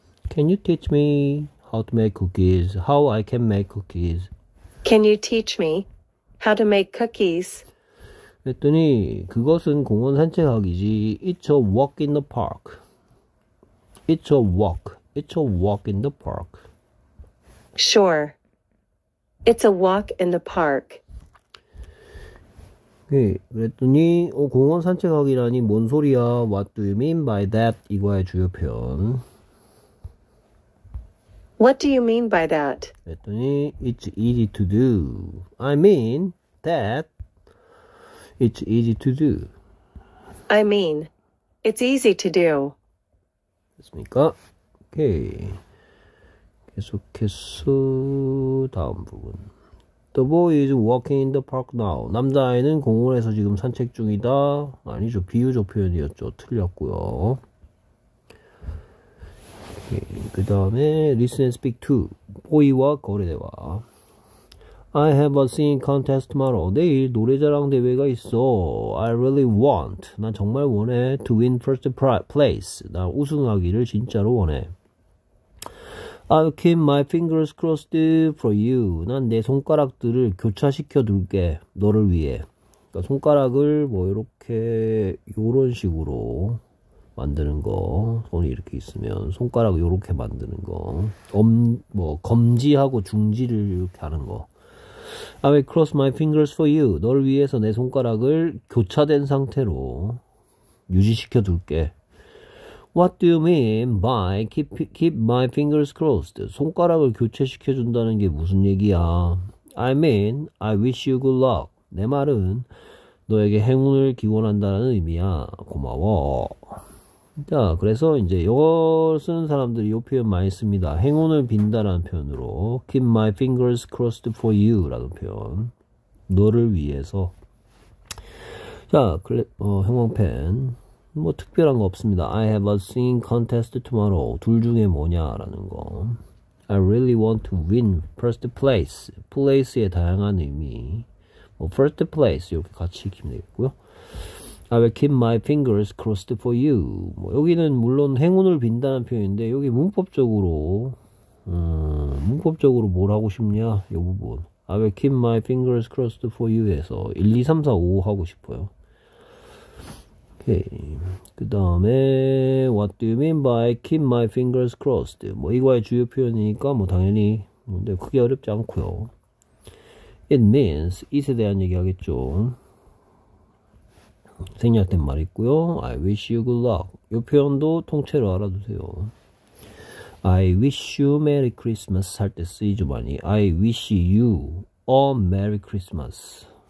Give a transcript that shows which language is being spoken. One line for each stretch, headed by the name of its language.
English: Can you teach me how to make cookies? How I can make cookies? Can you teach me how to make cookies?
Korean: 그랬더니 그것은 공원 산책하기지.
English: It's a walk in the park. It's a walk. It's a walk in the park. Sure. It's a walk in the park.
Korean: 네, 그랬더니 공원 산책하기라니 뭔 소리야?
English: What do you mean by that?
Korean: 이거의 주요 표현.
English: What do you mean by that?
Korean: 그랬더니
English: it's easy to do. I mean that it's easy to do. I mean it's easy to do.
Korean: 됐습니까? 오케이. 계속해서 다음 부분.
English: The boy is walking in the park now.
Korean: 남자아이는 공원에서 지금 산책 중이다. 아니죠. 비유적 표현이었죠. 틀렸고요. 그 다음에
English: listen and speak to.
Korean: 보이와 거래대화.
English: I have a singing contest tomorrow.
Korean: 내일 노래자랑 대회가 있어.
English: I really want.
Korean: 난 정말 원해.
English: To win first place.
Korean: 나 우승하기를 진짜로 원해.
English: I'll keep my fingers crossed for you.
Korean: 난 내 손가락들을 교차시켜 둘게. 너를 위해. 그러니까 손가락을 뭐 이렇게 요런 식으로 만드는 거. 손이 이렇게 있으면 손가락 요렇게 만드는 거. 뭐 검지하고 중지를 이렇게 하는 거.
English: I will cross my fingers for you.
Korean: 너를 위해서 내 손가락을 교차된 상태로 유지시켜 둘게.
English: What do you mean by keep my fingers crossed?
Korean: 손가락을 교체시켜준다는 게 무슨 얘기야?
English: I mean, I wish you good luck.
Korean: 내 말은 너에게 행운을 기원한다는 의미야. 고마워. 자, 그래서 이제 이걸 쓰는 사람들이 이 표현 많이 씁니다. 행운을 빈다라는 표현으로
English: Keep my fingers crossed for you라는 표현.
Korean: 너를 위해서. 자, 형광펜. 뭐 특별한 거 없습니다.
English: I have a singing contest tomorrow.
Korean: 둘 중에 뭐냐라는 거.
English: I really want to win first place.
Korean: Place의 다양한 의미. 뭐 first place 이렇게 같이 익히면 되겠고요.
English: I will keep my fingers crossed for you.
Korean: 뭐 여기는 물론 행운을 빈다는 표현인데 여기 문법적으로 뭘 하고 싶냐? 이 부분.
English: I will keep my fingers crossed for you에서 1, 2, 3, 4, 5 하고 싶어요. 오케이. 그 다음에 What do you mean by keep my fingers crossed?
Korean: 뭐 이거의 주요 표현이니까 뭐 당연히 근데 크게 어렵지 않고요.
English: It means it
Korean: 에 대한 얘기하겠죠. 생략된 말 있고요.
English: I wish you good luck.
Korean: 이 표현도 통째로 알아두세요.
English: I wish you Merry Christmas
Korean: 할때 쓰이죠 많이.
English: I wish you a Merry Christmas.